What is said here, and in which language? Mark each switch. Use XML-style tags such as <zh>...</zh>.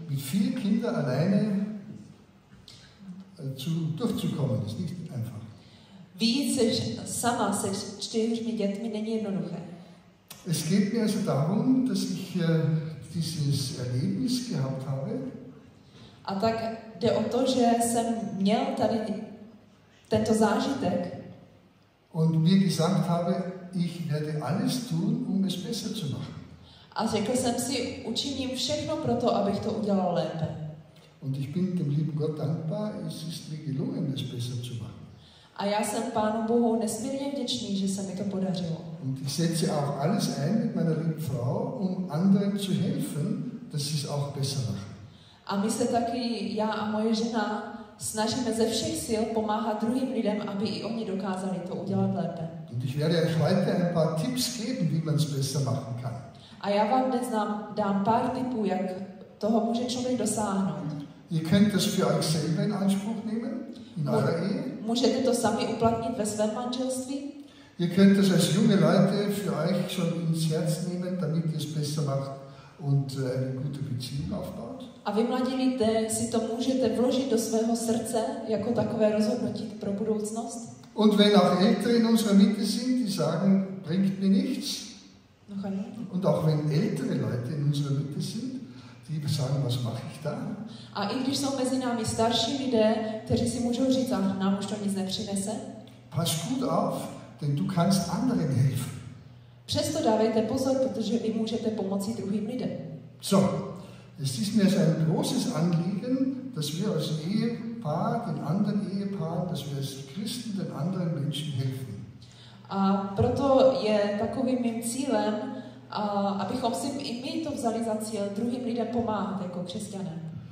<de>Mit vier Kinder alleine zu durchzukommen, ist nicht einfach.</de> <cs>Wie sama se 4 dětmi není jednoduché.</cs> <de>Es geht mir also darum, dass ich dieses Erlebnis gehabt habe.</de> <cs>A tak jde o to, že jsem měl tady tento zážitek.</cs> <de>Und mir gesagt habe, ich werde alles tun, um es besser zu machen.</de> <cs>A řekl jsem si, učiním všechno pro to, abych to udělal lépe.</cs> <de>Und ich bin dem lieben Gott dankbar, es ist mir gelungen, es besser zu machen.</de> <cs>A já jsem Pánu Bohu nesmírně vděčný, že se mi to podařilo.</cs> <de>Und ich setze auch alles ein mit meiner lieben Frau, um anderen zu helfen, dass sie es auch besser machen.</de> <cs>A my se taky, já a moje žena, snažíme ze všech sil pomáhat druhým lidem, aby i oni dokázali to udělat lépe.</cs> <de>Und ich werde euch heute ein paar Tipps geben, wie man es besser machen kann.</de> <cs>A já vám dnes dám pár tipů, jak toho může člověk dosáhnout.</cs> <de>Ihr könnt das für euch selber in Anspruch nehmen, in eurer Ehe.</de> <cs>Můžete to sami uplatnit ve svém manželství.</cs> <de>Ihr könnt das als junge Leute für euch schon ins Herz nehmen, damit ihr es besser macht und eine gute Beziehung aufbaut.</de> <cs>A vy mladí lidé si to můžete vložit do svého srdce jako takové rozhodnutí pro budoucnost.</cs> <de>Und wenn auch Ältere in unserer Mitte sind, die sagen, bringt mir nichts. Und auch wenn ältere Leute in unserer Mitte sind, die sagen, was mache ich da?</de> <cs>A i když jsou mezi námi starší lidé, kteří si můžou říct, ach, nám už to nic nepřinese.</cs> <de>Pass gut auf, denn du kannst anderen helfen.</de> <cs>Přesto dávejte pozor, protože vy můžete pomoci druhým lidem.</cs> <de>So, es ist mir ein großes Anliegen, dass wir als Ehepaar, den anderen Ehepaar, dass wir als Christen den anderen Menschen helfen.</de> <cs>A proto je takovým mým cílem, abychom si i my to vzali za cíl, druhým lidem pomáhat jako křesťané.</cs>